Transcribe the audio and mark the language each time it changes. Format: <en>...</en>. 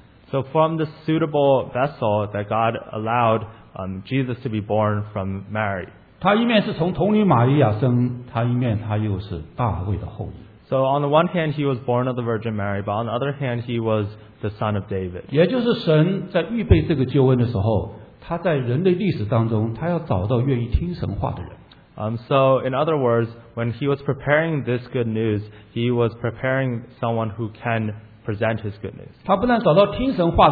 <en>so from the suitable vessel that God allowed Jesus to be born from Mary.</en> <zh>他一面是从童女玛利亚生,他一面他又是大卫的后裔。</zh> <en>So on the one hand, he was born of the Virgin Mary, but on the other hand, he was the son of David.</en> <zh>也就是神在预备这个救恩的时候，他在人类历史当中，他要找到愿意听神话的人。</zh> <en>So in other words, when he was preparing this good news, he was preparing someone who can present his good news.</en>